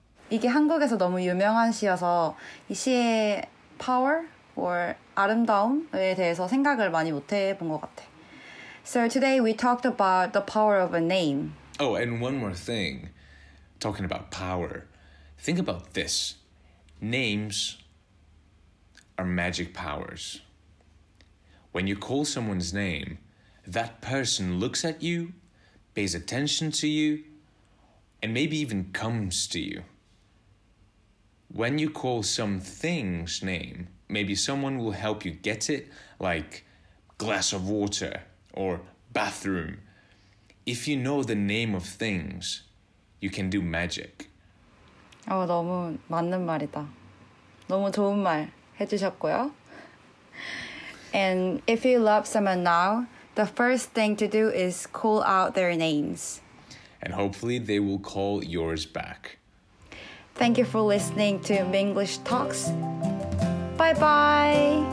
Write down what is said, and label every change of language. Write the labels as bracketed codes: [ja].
[ko] 이게 한국에서 너무 유명한 시여서 이 시의 [en] power or [ko] 아름다움에 대해서 생각을 많이 못 해본 것 같아. [en] So today we talked about the power of a name. Oh, and one more thing. Talking about power. Think about this. Names are magic powers. When you call someone's name, that person looks at you, pays attention to you, and maybe even comes to you. When you call something's name, maybe someone will help you get it, like glass of water or bathroom. If you know the name of things, you can do magic. [ko] 너무 맞는 말이다. 너무 좋은 말 해주셨고요. [en] And if you love someone now, the first thing to do is call out their names. And hopefully they will call yours back. Thank you for listening to Minglish Talks. Bye bye.